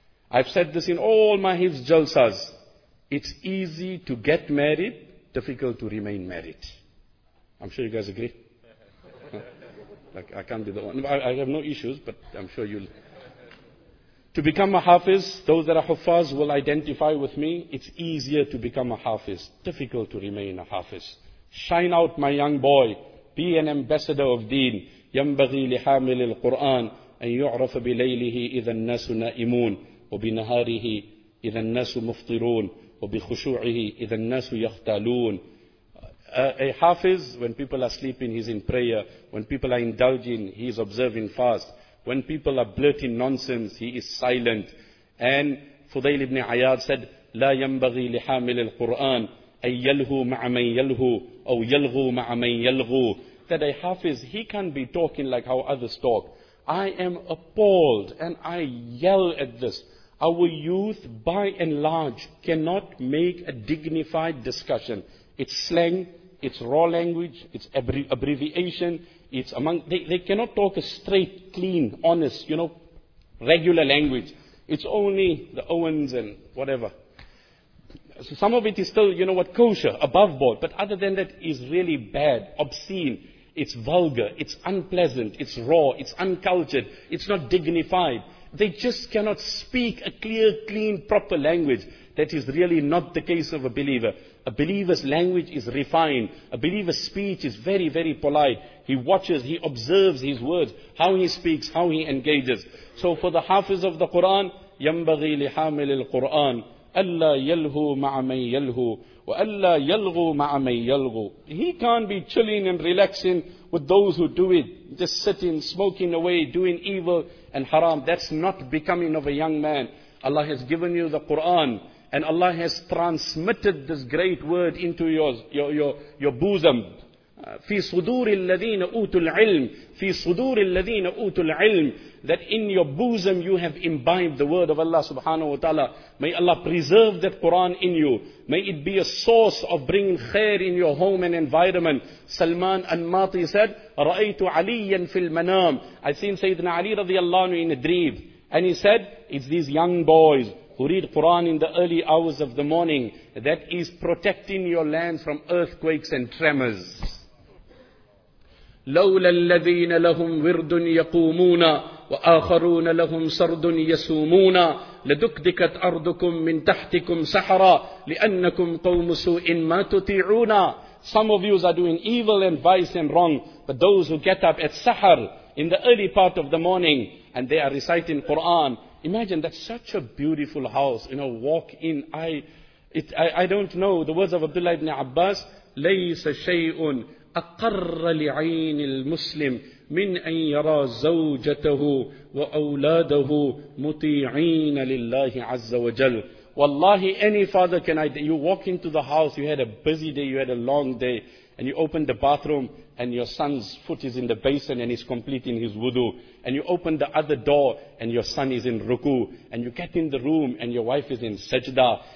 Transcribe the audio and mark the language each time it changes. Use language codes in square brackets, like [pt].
[en] I've said this in all my hifz jalsas. It's easy to get married, difficult to remain married. I'm sure you guys agree. Like, I can't be the one. I have no issues, but I'm sure you'll... To become a hafiz, those that are huffaz will identify with me. It's easier to become a hafiz, difficult to remain a hafiz. Shine out, my young boy. Be an ambassador of deen. [ar] يَنْبَغِي لِحَامِلِ الْقُرْآنِ أَنْ يُعْرَفَ بِلَيْلِهِ إِذَا النَّاسُ نَائِمُونَ وبنهاره إذا الناس مفطرون وبخشوعه إذا الناس يختالون. [en] A hafiz, when people are sleeping, he's in prayer. When people are indulging, he is observing fast. When people are blurting nonsense, he is silent. And Fudayl ibn Ayyad said, [ar] لا ينبغي لحامل القرآن أن يلهو مع من يلهو أو يلغو مع من يلغو. [en] That a hafiz, he can't be talking like how others talk. I am appalled and I yell at this. Our youth, by and large, cannot make a dignified discussion. It's slang, it's raw language, it's abbreviation, it's among... They cannot talk a straight, clean, honest, you know, regular language. It's only the Owens and whatever. So some of it is still, you know what, kosher, above board. But other than that, it's really bad, obscene. It's vulgar, it's unpleasant, it's raw, it's uncultured, it's not dignified. They just cannot speak a clear, clean, proper language. That is really not the case of a believer. A believer's language is refined. A believer's speech is very, very polite. He watches, he observes his words, how he speaks, how he engages. So for the hafiz of the Qur'an, [ar] يَنْبَغِي لِحَامِلِ الْقُرْآنِ أَلَّا يَلْهُ مَعَ مَنْ يَلْهُ وَأَلَّا يَلْغُ مَعَ مَنْ يَلْغُ. [en] He can't be chilling and relaxing with those who do it, just sitting, smoking away, doing evil and haram. That's not becoming of a young man. Allah has given you the Qur'an, and Allah has transmitted this great word into your bosom. [ar] فِي صُدُورِ الَّذِينَ أُوتُوا الْعِلْمِ فِي صُدُورِ الَّذِينَ أُوتُوا الْعِلْمِ. [en] That in your bosom you have imbibed the word of Allah subhanahu wa ta'ala. May Allah preserve that Quran in you. May it be a source of bringing khair in your home and environment. Salman al-Mati said, [ar] رَأَيْتُ عَلِيًّا فِي الْمَنَامِ. [en] I seen Sayyidina Ali radiallahu anhu in a dream. And he said, it's these young boys who read Quran in the early hours of the morning, that is protecting your land from earthquakes and tremors. [ar] لولا الذين لهم ورد يقومون وآخرون لهم سرد يسومون لدكدكت أرضكم من تحتكم سحرا لأنكم قوم سوء ما تطيعون. [en] Some of you are doing evil and vice and wrong, but those who get up at Sahar in the early part of the morning and they are reciting Quran. Imagine, that's such a beautiful house. You know, walk in. I don't know the words of Abdullah ibn Abbas. [ar] ليس شيء أقر لعين المسلم من أن يرى زوجته وأولاده مطيعين لله عز وجل. [en] Wallahi, any father can I? You walk into the house, you had a busy day, you had a long day, and you open the bathroom, and your son's foot is in the basin, and he's completing his wudu. And you open the other door, and your son is in ruku. And you get in the room, and your wife is in sajda.